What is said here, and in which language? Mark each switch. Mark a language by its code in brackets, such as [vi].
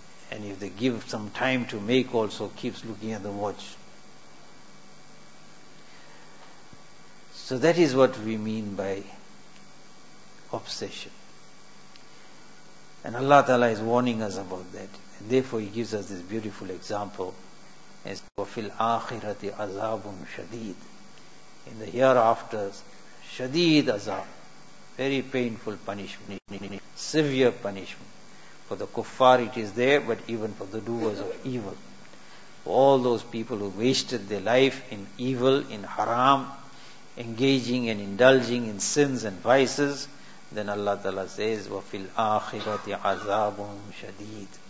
[en] And if they give some time to make also, keeps looking at the watch. So that is what we mean by obsession. And Allah Ta'ala is warning us about that. And therefore He gives us this beautiful example. [ar] As وَفِي الْآخِرَةِ عَذَابٌ شَدِيدٌ. [en] In the hereafter, shadeed azab, very painful punishment, severe punishment. For the kuffar it is there, but even for the doers of evil. All those people who wasted their life in evil, in haram, engaging and indulging in sins and vices, then Allah Ta'ala says, [ar] وَفِي الْآخِرَةِ عَذَابٌ شَدِيدٌ.